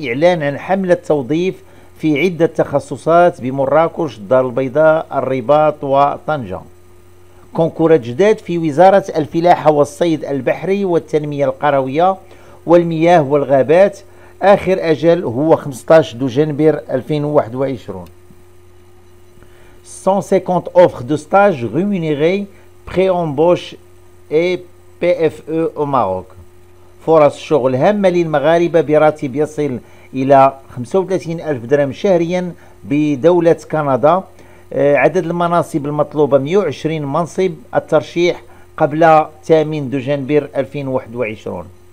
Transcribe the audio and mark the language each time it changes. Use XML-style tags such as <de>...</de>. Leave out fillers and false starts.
<ar>إعلان عن حملة توظيف في عدة تخصصات بمراكش، الدار البيضاء، الرباط وطنجة. كونكورات جداد في وزارة الفلاحة والصيد البحري والتنمية القروية والمياه والغابات، آخر أجل هو 15 دجنبر 2021.</ar> <fr>150 offres de stage rémunérées pré-embauche et PFE au Maroc.</fr> <ar>فرص شغل هامة للمغاربة براتب يصل إلى 35000 درهم شهريا بدولة كندا. عدد المناصب المطلوبة 120 منصب، الترشيح قبل 8 دجنبر 2021.</ar>